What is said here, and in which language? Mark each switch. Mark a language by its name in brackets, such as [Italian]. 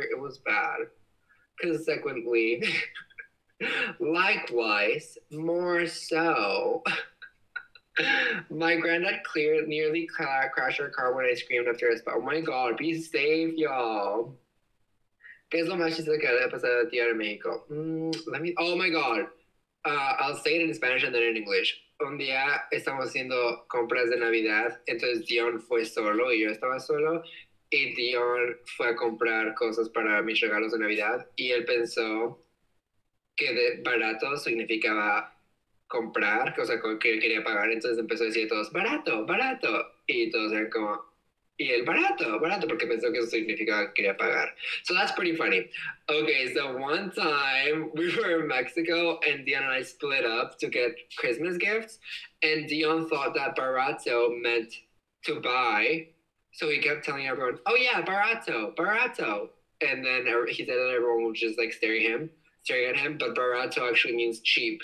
[English] It was bad. Consequently, likewise, more so, my granddad nearly crashed her car when I screamed after his butt. Oh my god, be safe, y'all. Guess what matches the episode of Theater Mexico? Oh my god. I'll say it in Spanish and then in English. [Spanish] Un día estamos haciendo compras de Navidad, entonces Dion fue solo y yo estaba solo. Y Dion fue a comprar cosas para mis regalos de Navidad. Y él pensó que de barato significaba comprar, o sea, que él quería pagar. Entonces empezó a decir a todos, barato, barato. Y todos eran como, y él, barato, barato, porque pensó que eso significaba que quería pagar. [English] So that's pretty funny. Okay, so one time we were in Mexico and Dion and I split up to get Christmas gifts. And Dion thought that barato meant to buy. So he kept telling everyone, oh yeah, barato, barato. And then he said that everyone was just like staring at him, but barato actually means cheap.